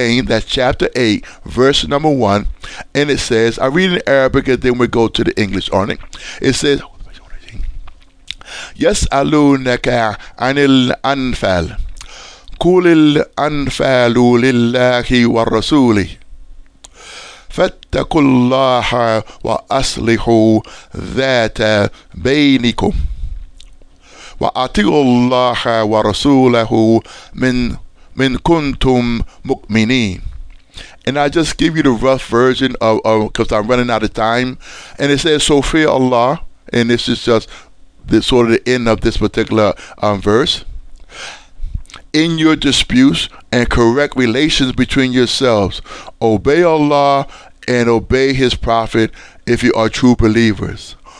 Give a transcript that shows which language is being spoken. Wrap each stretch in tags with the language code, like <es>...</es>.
<en>In chapter 8, verse number 1, and it says, I read in Arabic and then we go to the English on it. It says,</en> <ar>يسألونك عن الأنفال قل الأنفال لله والرسول فاتقوا الله وأصلحوا ذات بينكم وأطيعوا الله ورسوله من كنتم مؤمنين.</ar> <en>And I just give you the rough version of because I'm running out of time. And it says, so fear Allah, and this is just the sort of the end of this particular verse. In your disputes and correct relations between yourselves, obey Allah and obey His Prophet if you are true believers.</en>